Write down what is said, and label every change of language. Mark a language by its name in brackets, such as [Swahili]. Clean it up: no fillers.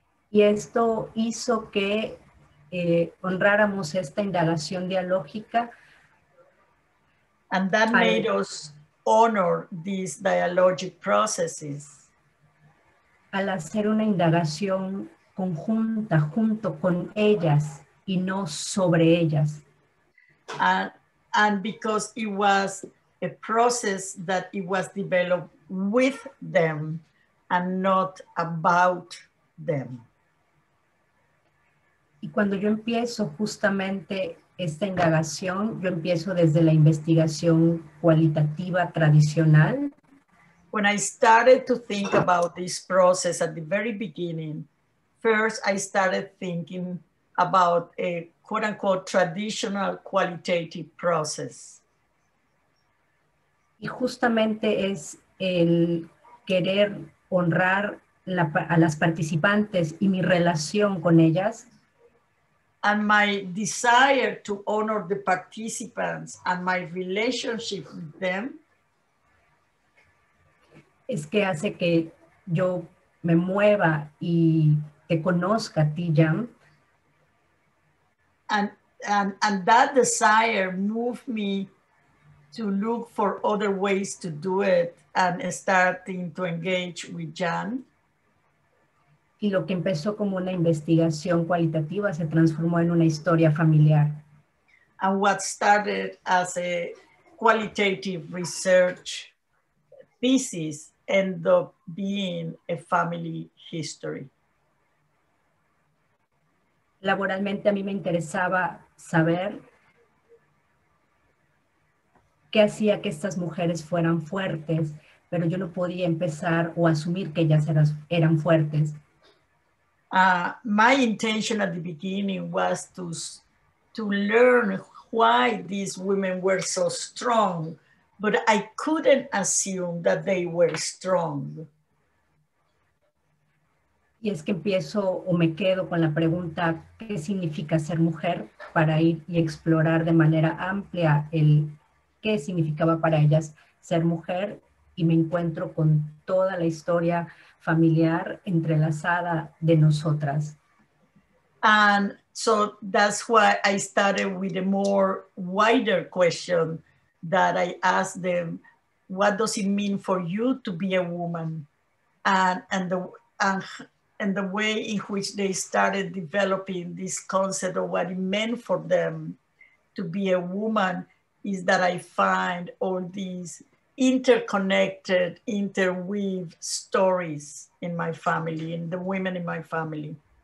[Spanish] Y esto hizo que honráramos esta indagación dialógica. [English] And that made us honor these dialogic processes. [Spanish] Al hacer una indagación conjunta, junto con ellas y no sobre ellas. [English] And because it was a process that it was developed with them and not about them. [Spanish] Y cuando yo empiezo justamente esta indagación, yo empiezo desde la investigación cualitativa tradicional. [English] When I started to think about this process at the very beginning, first I started thinking about a quote-unquote traditional qualitative process. [Spanish] Y justamente es el querer honrar a las participantes y mi relación con ellas. [English] And my desire to honor the participants and my relationship with them [Spanish] es que hace que yo me mueva y te conozca a ti, Jan. [English] And that desire moved me to look for other ways to do it and starting to engage with Jan. [Spanish] Y lo que empezó como una investigación cualitativa se transformó en una historia familiar. [English] And what started as a qualitative research thesis ended up being a family history. [Spanish] Laboralmente a mí me interesaba saber qué hacía que estas mujeres fueran fuertes, pero yo no podía empezar o asumir que ellas eran fuertes. [English] My intention at the beginning was to learn why these women were so strong, but I couldn't assume that they were strong. [Spanish] Y es que empiezo o me quedo con la pregunta, ¿qué significa ser mujer? Para ir y explorar de manera amplia el qué significaba para ellas ser mujer, y me encuentro con toda la historia familiar entrelazada de nosotras. [English] And so that's why I started with a more wider question that I asked them, what does it mean for you to be a woman? And the way in which they started developing this concept of what it meant for them to be a woman is that I find all these interconnected, interweaved stories in my family, in the women in my family.